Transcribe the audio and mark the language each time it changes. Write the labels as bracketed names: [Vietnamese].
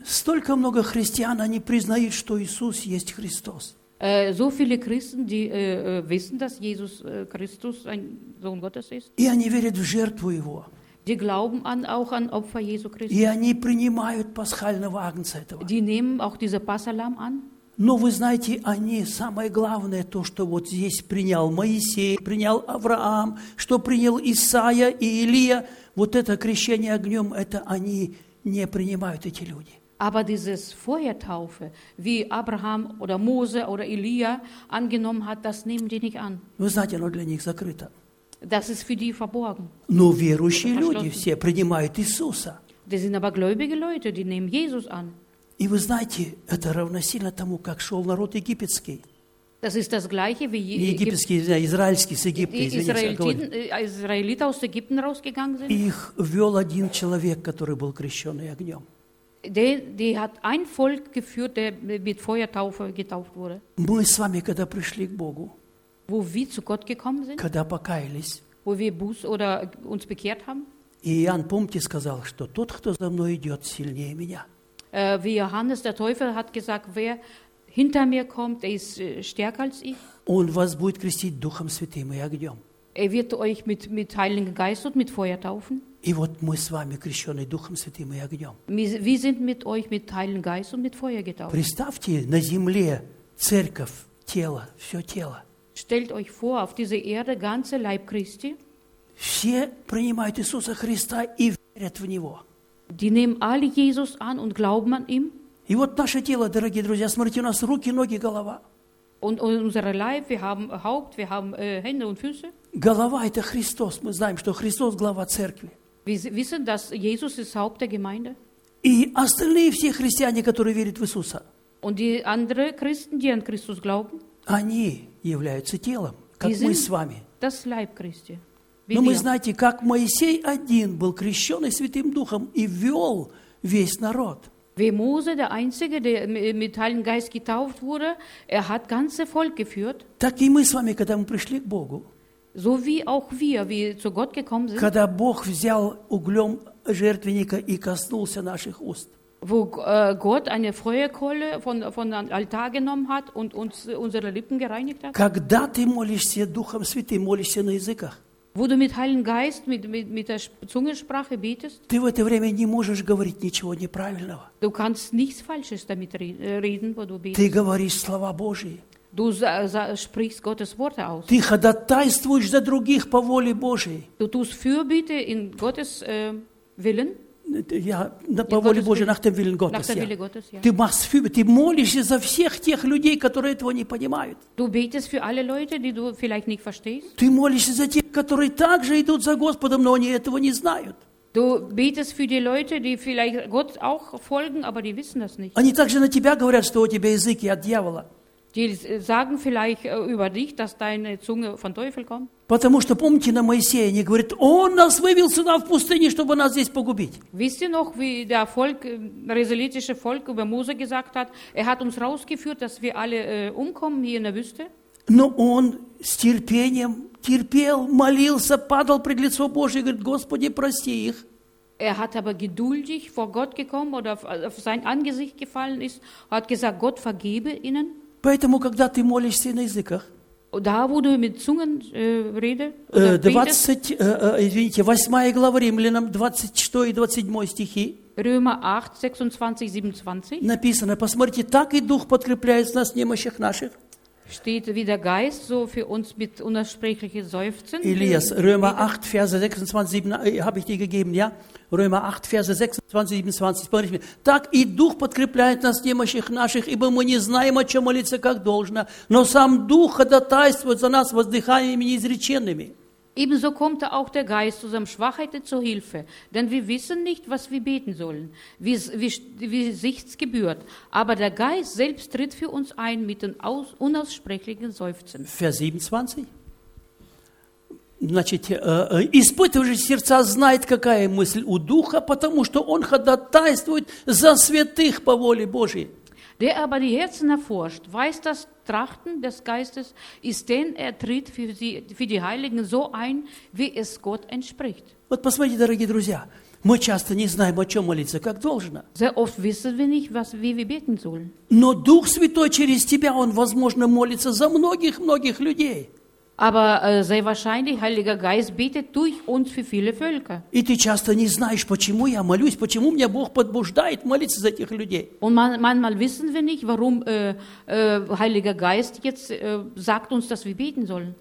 [Russian] Столько много христиан, они признают, что Иисус есть Христос. [German] So viele Christen, die wissen, dass Jesus Christus ein Sohn Gottes ist. [Russian] И они верят в жертву Его. [German] Die glauben auch an Opfer Jesu Christi. [Russian] И они принимают пасхального агнца этого. [German] Die nehmen auch diese Passahlamm an. [Russian] Но вы знаете, они самое главное то, что вот здесь принял Моисей, принял Авраам, что принял Исаия и Илия. Вот это крещение огнем, это они не принимают эти люди. [German] Aber dieses Feuertaufe, wie Abraham oder Mose oder Илия angenommen hat, das nehmen die nicht an. [Russian] Вы знаете, оно для них закрыто. [German] Das ist für die verborgen. [Russian] Но верующие люди все принимают Иисуса. [German] Das sind aber gläubige Leute, die nehmen Jesus an. [Russian] И вы знаете, это равносильно тому, как шел народ египетский. [German] Das ist das gleiche wie [Russian] египетский, извиняюсь, израильский с Египта, [German] израильтин, aus Ägypten rausgegangen sind. [Russian] Их вел один человек, который был крещенный огнем. [German] Die hat ein Volk geführt, der mit Feuertaufe getauft wurde. [Russian] Мы с вами, когда пришли к Богу, [German] wo wir zu Gott gekommen sind, [Russian] когда покаялись, [German] wo wir Buß oder uns bekehrt haben. [Russian] И Иоанн, помните, сказал, что тот, кто за мной идет, сильнее меня. [German] Wie Johannes der Täufer hat gesagt, wer hinter mir kommt, der ist stärker als ich. [Russian] Он вас будет крестить Духом Святым и огнем. [German] Er wird euch mit Heiligen Geist und mit Feuer taufen. [Russian] И вот мы с вами крещены Духом Святым и огнем. [German] Wir sind mit euch mit Heiligen Geist und mit Feuer getauft. [Russian] Представьте, на земле церковь, тело, все тело. [German] Stellt euch vor, auf dieser Erde ganze Leib Christi. [Russian] Все принимают Иисуса Христа и верят в Него. [German] Die nehmen alle Jesus an und glauben an ihn. [Russian] И вот наше тело, дорогие друзья, смотрите, у нас руки, ноги, голова. [German] Und unsere Leib, wir haben Haupt, wir haben Hände und Füße. [Russian] Голова – это Христос. Мы знаем, что Христос – глава церкви. [German] Wir wissen, dass Jesus ist Haupt der Gemeinde. [Russian] И остальные все христиане, которые верят в Иисуса. [German] Und die anderen Christen, die an Christus glauben. [Russian] Они являются телом, как мы с вами. [German] Das Leib Christi. [Russian] Но мы знаете, как Моисей один был крещенный Святым Духом и вел весь народ. [German] Wie Mose, der Einzige, der mit Heiligen Geist getauft wurde, hat ganze Volk geführt. [Russian] Так и мы с вами, когда мы пришли к Богу. [German] So wie auch wir, wie zu Gott gekommen sind. [Russian] Когда Бог взял углем жертвенника и коснулся наших уст. [German] Wo Gott eine Feuerkohle von dem Altar genommen hat und uns unsere Lippen gereinigt hat. [Russian] Когда ты молишься Духом Святым, молишься на языках. [German] Wo du mit Heiligen Geist, mit der Zungensprache betest. [Russian] Ты в это время не можешь говорить ничего неправильного. [German] Du kannst nichts Falsches damit reden, wo du betest. [Russian] Ты говоришь слова Божьи. [German] Du sprichst Gottes Worte aus. [Russian] Ты ходатайствуешь за других по воле Божьей. [German] Du tust Fürbitte in Gottes Willen. [Russian] Я по воле Божьей, [German] nach dem Willen Gottes. [Russian] Ты [German] machst Fürbitte, [Russian] ты молишься за всех тех людей, которые этого не понимают. [German] Du betest für alle Leute, die du vielleicht nicht verstehst. [Russian] Ты молишься за тех, которые также идут за Господом, но они этого не знают. [German] Du betest für die Leute, die vielleicht Gott auch folgen, aber die wissen das nicht. [Russian] Они также на тебя говорят, что у тебя язык и от дьявола. [German] Die sagen vielleicht über dich, dass deine Zunge von Teufel kommt. [Russian] Потому что помните на Моисея, они говорят, он нас вывел сюда в пустыне, чтобы нас здесь погубить. [German] Wisst ihr noch, wie der Volk, das israelitische Volk über Mose gesagt hat, hat uns rausgeführt, dass wir alle umkommen hier in der Wüste? [Russian] Но он с терпением терпел, молился, падал пред лицо Божие, говорит, Господи, прости их. [German] Hat aber geduldig vor Gott gekommen oder auf sein Angesicht gefallen ist, hat gesagt, Gott vergebe ihnen. [Russian] Поэтому, когда ты молишься на языках, [German] da, wo du mit Zungen, rede, [Russian] 8 глава Римлянам, 26 и 27 стихи, [German] Römer 8, 26, 27, [Russian] написано, посмотрите, так и Дух подкрепляет нас, немощих наших. [German] Steht wie der Geist, so für uns mit unaussprechlichen Seufzen. Elias, Römer 8, Verse 26, 27, habe ich dir gegeben, ja? Römer 8, Verse 26, 27, [Russian] смотрите мне. Так и Дух подкрепляет нас, немощих наших, ибо мы не знаем, о чем молиться, как должно, но сам Дух ходатайствует за нас воздыханиями неизреченными. [German] Ebenso kommt auch der Geist unserem Schwachheiten zu Hilfe, denn wir wissen nicht, was wir beten sollen, wie sich's gebührt. Aber der Geist selbst tritt für uns ein mit den unaussprechlichen Seufzen. Vers 27. [Russian] Значит, испытывающий сердца знает, какая мысль у Духа, потому что он ходатайствует за святых по воле Божьей. [German] Der aber die Herzen erforscht, weiß, das Trachten des Geistes ist, denn er tritt für die Heiligen so ein, wie es Gott entspricht. [Russian] Вот посмотрите, дорогие друзья, мы часто не знаем, о чем молиться, как должно. [German] Sehr oft wissen wir nicht, wie wir beten sollen. [Russian] Но Дух Святой через тебя, он, возможно, молится за многих-многих людей. [German] Aber sehr wahrscheinlich, Heiliger Geist betet durch uns für viele Völker. [Russian] И ты часто не знаешь, почему я молюсь, почему меня Бог подбуждает молиться за этих людей. [German] Und manchmal wissen wir nicht, warum Heiliger Geist jetzt sagt uns, dass wir beten sollen.